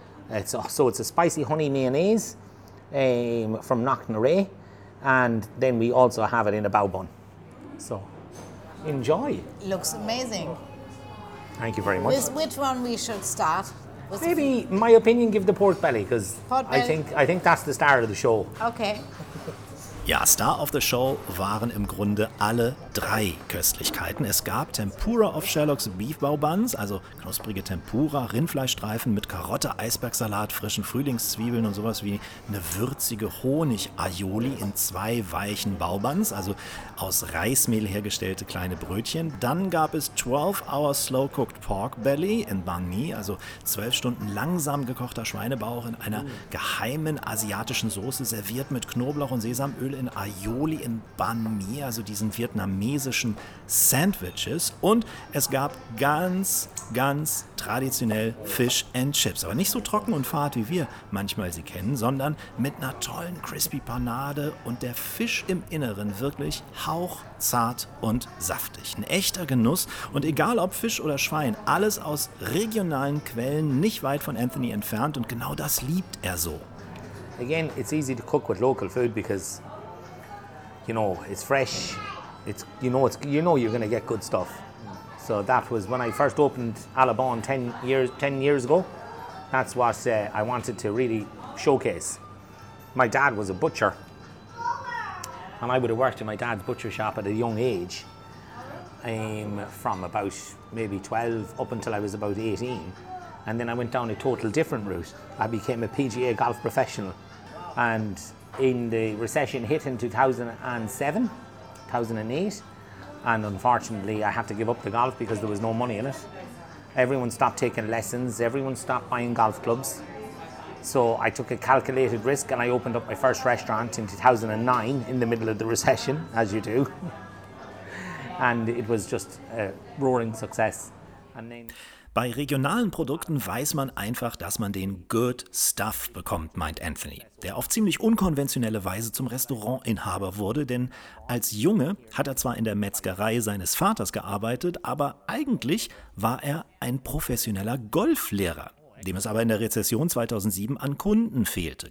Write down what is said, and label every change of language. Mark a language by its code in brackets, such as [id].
[en] It's a spicy honey mayonnaise from Knocknarea. And then we also have it in a bao bun. So enjoy. Looks amazing. Thank you very much. Which one we should start? My opinion, give the pork belly, because I think that's the star of the show. Okay. [de] Ja, [en] Star of the Show [de] waren im Grunde alle drei Köstlichkeiten. Es gab Tempura of Sherlock's Beef Bao Buns, also knusprige Tempura, Rindfleischstreifen mit Karotte, Eisbergsalat, frischen Frühlingszwiebeln und sowas wie eine würzige Honig-Aioli in zwei weichen Bao Buns, also aus Reismehl hergestellte kleine Brötchen. Dann gab es 12-Hour Slow-Cooked Pork Belly in Banh Mi, also 12 Stunden langsam gekochter Schweinebauch in einer geheimen asiatischen Soße, serviert mit Knoblauch und Sesam, Öl in Aioli in Banh Mi, also diesen vietnamesischen Sandwiches. Und es gab ganz, ganz traditionell Fish and Chips. Aber nicht so trocken und fad, wie wir manchmal sie kennen, sondern mit einer tollen Crispy Panade und der Fisch im Inneren wirklich hauchzart und saftig. Ein echter Genuss. Und egal ob Fisch oder Schwein, alles aus regionalen Quellen, nicht weit von Anthony entfernt. Und genau das liebt er so. [en] Again, it's easy to cook with local food because, you know, it's fresh. You're going to get good stuff. So that was when I first opened Alabon 10 years ago. That's what I wanted to really showcase. My dad was a butcher, and I would have worked in my dad's butcher shop at a young age, from about maybe 12 up until I was about 18. And then I went down a total different route. I became a PGA golf professional. And in the recession hit in 2008, and unfortunately I had to give up the golf because there was no money in it. Everyone stopped taking lessons, everyone stopped buying golf clubs. So I took a calculated risk and I opened up my first restaurant in 2009 in the middle of the recession, as you do. And it was just a roaring success. And [de] then bei regionalen Produkten weiß man einfach, dass man den [en] Good Stuff [de] bekommt, meint Anthony, der auf ziemlich unkonventionelle Weise zum Restaurantinhaber wurde. Denn als Junge hat er zwar in der Metzgerei seines Vaters gearbeitet, aber eigentlich war er ein professioneller Golflehrer, dem es aber in der Rezession 2007 an Kunden fehlte.